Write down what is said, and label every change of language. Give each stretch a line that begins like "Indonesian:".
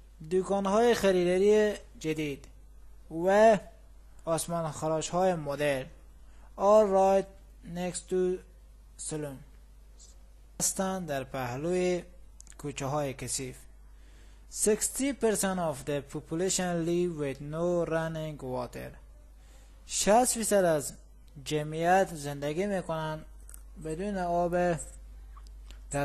Persian: دکان‌های خریداری جدید و آسمان خراش‌های مدرن.
English: All right next to saloon.
Persian: هستند در پهلوی کوچه‌های کثیف.
English: 60% of the population live with no running water.
Persian: 60% از جمعیت زندگی می‌کنند بدون آب در